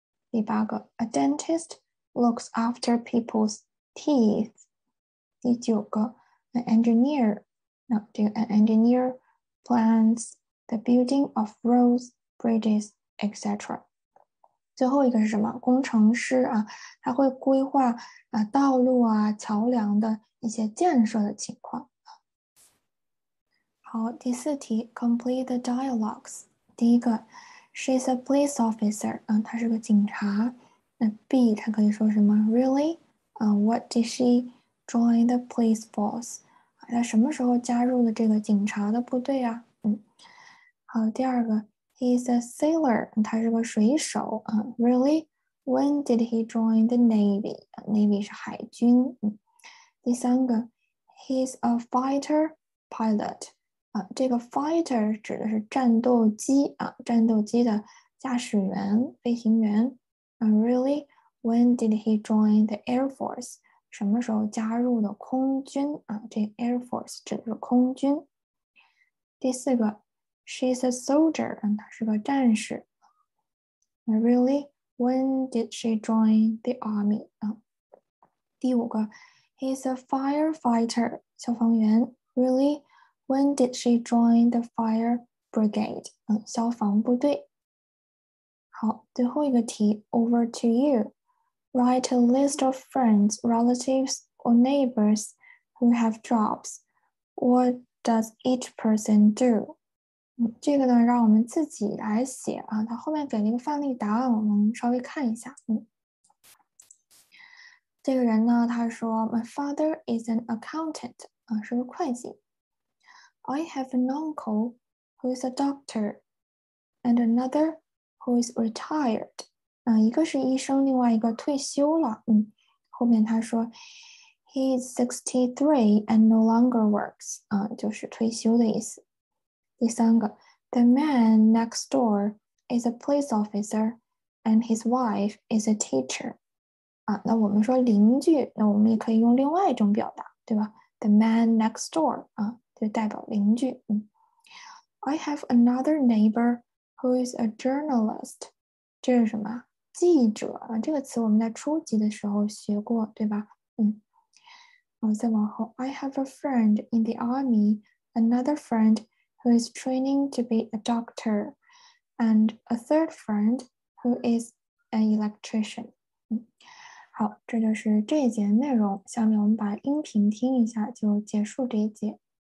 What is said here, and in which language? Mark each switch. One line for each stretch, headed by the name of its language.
Chinese: 第八个，
English: a dentist looks after people's teeth。
Chinese: 第九个，
English: an engineer。
Chinese: 那这个
English: an engineer plans the building of roads, bridges, etc.
Chinese: 最后一个是什么？工程师啊，他会规划道路啊、桥梁的一些建设的情况。好，第四题，
English: complete the dialogues。
Chinese: 第一个，
English: She's a police officer。
Chinese: 她是个警察。那 B 他可以说什么？
English: Really？ What did she join the police force？
Chinese: 他什么时候加入了这个警察的部队啊？好，第二个，
English: He's a sailor，
Chinese: 他是个水手啊。
English: Really？When did he join the Navy？Navy
Chinese: 是海军。第三个，
English: He's a fighter pilot，
Chinese: 这个 fighter 指的是战斗机啊，战斗机的驾驶员、飞行员。
English: Really？When did he join the Air Force？
Chinese: 什么时候加入的空军啊？这 Air Force 指的是空军。第四个，
English: She's a soldier，
Chinese: 她是个战士。
English: Really，when did she join the army？
Chinese: 第五个，
English: He's a firefighter，
Chinese: 消防员。
English: Really，when did she join the fire brigade？
Chinese: 消防部队。好，最后一个题，
English: Over to you。 Write a list of friends, relatives, or neighbors who have jobs. What does each person do?
Chinese: 这个呢，让我们自己来写啊。它后面给了一个范例答案，我们稍微看一下。这个人呢，他说，
English: My father is an accountant，
Chinese: 是个会计。
English: I have an uncle who is a doctor, and another who is retired.
Chinese: 一个是医生，另外一个退休了。后面他说，
English: He's 63 and no longer works。
Chinese: 就是退休的意思。第三个，
English: The man next door is a police officer and his wife is a teacher。
Chinese: 那我们说邻居，那我们也可以用另外一种表达，对吧？
English: The man next door
Chinese: 就代表邻居。
English: I have another neighbor who is a journalist。
Chinese: 这是什么？记者啊，这个词我们在初级的时候学过，对吧？然后再往后，
English: I have a friend in the army, another friend who is training to be a doctor, and a third friend who is an electrician。
Chinese: 好，这就是这一节内容。下面我们把音频听一下，就结束这一节。